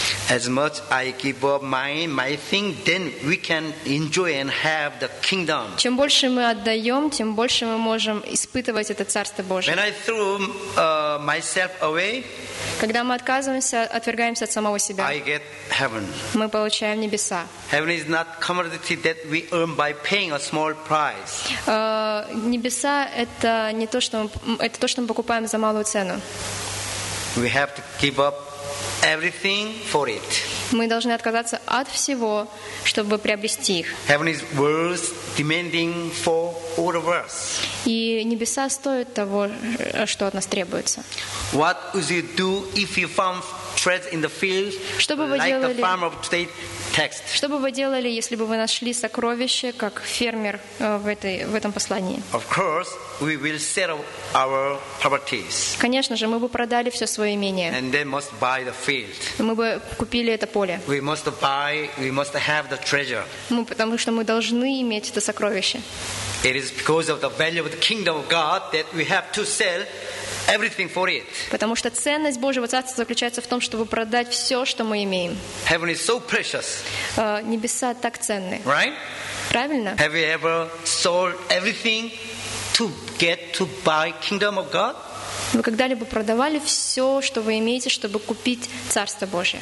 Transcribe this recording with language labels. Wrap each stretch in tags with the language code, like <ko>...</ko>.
<en>As much I give up my thing, then we can enjoy and have the kingdom.</en> <ru>Чем больше мы отдаем, тем больше мы можем испытывать это царство Божие.</ru> <en>When I threw myself away,</en> <ru>когда мы отвергаемся от самого себя,</ru> <en>I get heaven.</en> <ru>Мы получаем небеса.</ru> <en>Heaven is not commodity that we earn by paying a small price.</en> <ru>Небеса это не то, что мы, это то, что мы покупаем за малую цену.</ru> <en>We have to give up everything for it.</en> <ru>Мы должны отказаться от всего, чтобы приобрести их.</ru> <en>Heaven is worth demanding for all of us.</en> <ru>И небеса стоят того, что от нас требуется.</ru> <en>What would you do if you found treasure in the field?</en> <ru>Что бы вы делали,</ru> <en>like the farmer of today's text?</en> <ru>Что бы вы делали, если бы вы нашли сокровище, как фермер в этом послании?</ru> <en>Of course, we will sell our properties.</en> <ru>Конечно же, мы бы продали все свое имение.</ru> <en>And then must buy the field.</en> <ru>Мы бы купили это поле.</ru> <en>We must buy, we must have the treasure.</en> <ru>Мы, потому что мы должны иметь это сокровище.</ru> <en>It is because of the value of the kingdom of God that we have to sell everything for it.</en> <ru>Потому что ценность Божьего Царства заключается в том, чтобы продать все, что мы имеем.</ru> <en>Heaven is so precious.</en> <ru>Небеса так ценны.</ru> <en>Right?</en> <ru>Правильно?</ru> <en>Have you ever sold everything to get to buy kingdom of God?</en> <ru>Вы когда-либо продавали все, что вы имеете, чтобы купить Царство Божие?</ru>